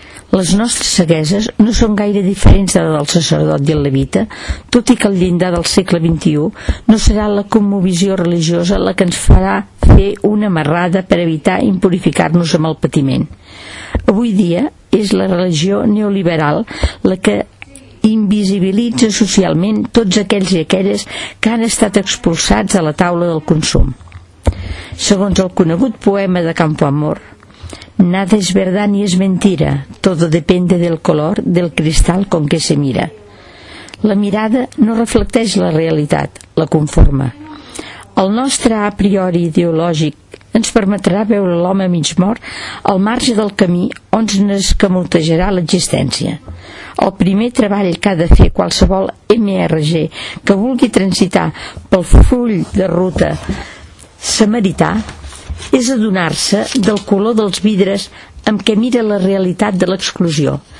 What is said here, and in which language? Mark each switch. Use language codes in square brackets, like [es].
[ca] Les nostres cegueses no són gaire diferents de la del sacerdot i el levita, tot i que el llindar del segle XXI no serà la cosmovisió religiosa la que ens farà fer una marrada per evitar impurificar-nos amb el patiment. Avui dia és la religió neoliberal la que invisibilitza socialment tots aquells i aquelles que han estat expulsats de la taula del consum. Segons el conegut poema de Campoamor, [es] «Nada es verdad ni es mentira, todo depende del color del cristal con que se mira». [ca] La mirada no reflecteix la realitat, la conforma. El nostre a priori ideològic ens permetrà veure l'home mig mort al marge del camí on n'escamotejarà l'existència. El primer treball que ha de fer qualsevol MRG que vulgui transitar pel full de ruta samarità és adonar-se del color dels vidres amb què mira la realitat de l'exclusió.